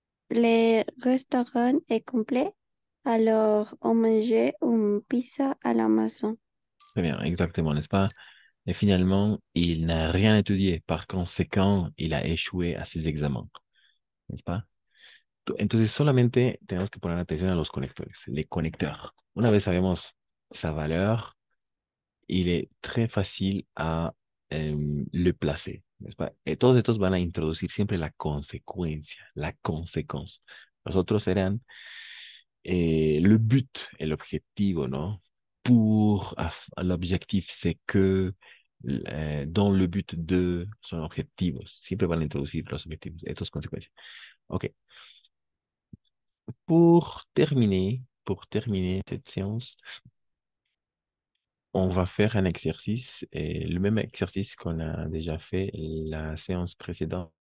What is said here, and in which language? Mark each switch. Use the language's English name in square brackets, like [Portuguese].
[French] Le restaurant est complet, alors on mangeait une pizza à la maison. Très bien, exactement, n'est-ce pas? Et finalement, il n'a rien étudié. Par conséquent, il a échoué à ses examens. N'est-ce pas? [Spanish] Entonces, solamente tenemos que poner atención a los conectores, les conecteurs. Una vez sabemos [French] sa valeur, il est très facile à le placer. N'est-ce pas? [Spanish] Et todos estos van a introducir siempre la consecuencia, [French] la conséquence. [Spanish] Los otros serán [French] Et le but et l'objectif, non? Pour l'objectif, c'est que dans le but de son objectif, [Spanish] siempre van a introducir los objetivos, estas consecuencias. [French] Ok. Pour terminer cette séance, on va faire un exercice, et le même exercice qu'on a déjà fait la séance précédente.